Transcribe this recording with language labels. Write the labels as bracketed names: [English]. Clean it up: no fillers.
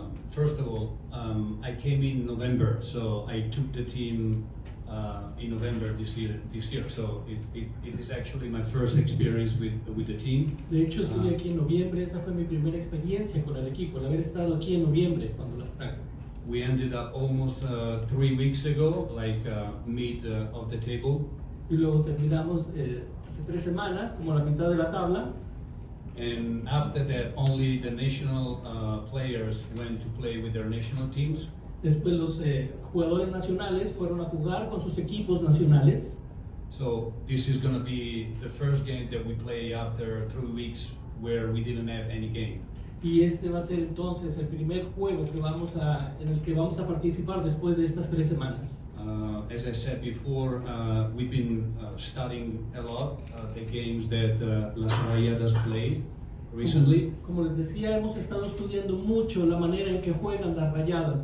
[English] First of all, I came in November, so I took the team in November this year. So it is actually my first experience with the team. [Spanish] De hecho, estuve aquí en noviembre. Esa fue mi primera experiencia con el equipo, el haber estado aquí en noviembre cuando las trajo. [English] We ended up almost 3 weeks ago, like mid of the table. [Spanish] Y luego terminamos hace 3 semanas, como la mitad de la tabla. [English] And after that, only the national players went to play with their national teams. [Spanish] Después los jugadores nacionales fueron a jugar con sus equipos nacionales. [English] So this is going to be the first game that we play after 3 weeks where we didn't have any game. [Spanish] Y este va a ser entonces el primer juego que vamos a en el que vamos a participar después de estas 3 semanas. [English] As I said before, we've been studying a lot the games that Las Rayadas play recently. [Spanish] Como les decía, hemos estado estudiando mucho la manera en que juegan las Rayadas.